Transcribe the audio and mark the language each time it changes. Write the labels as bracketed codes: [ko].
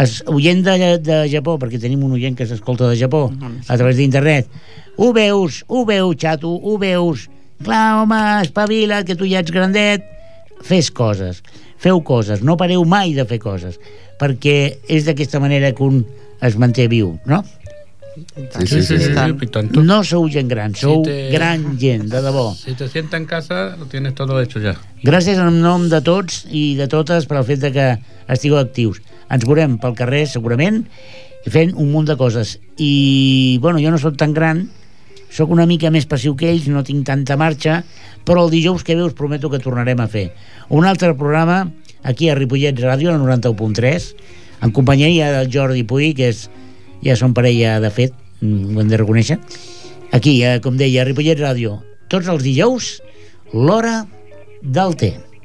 [ca] Oient de Japó, perquè tenim un oient que s'escolta de Japó a través d'internet, ho veus, xato, ho veus. Clar, home, espavila, que tu ja ets grandet. Feu coses, no pareu mai de fer coses, perquè és d'aquesta manera que un es manté viu, no? [es] Sí, tanto. [ca] No sou gent gran, sou gran gent, de debò. [es] Si te sientes en casa, lo tienes todo hecho ya. [ca] Gràcies en nom de tots i de totes pel fet de que estigueu actius. Ens veurem pel carrer, segurament, fent un munt de coses. I, bueno, jo no sóc tan gran, sóc una mica més passiu que ells, no tinc tanta marxa, però el dijous que ve us prometo que tornarem a fer un altre programa aquí a Ripollet Ràdio, a 91.3, en companyia del Jordi Puig, que és, ja som parella de fet, ho hem de reconèixer, aquí, com deia, a Ripollet Ràdio, tots els dijous, l'Hora del Té.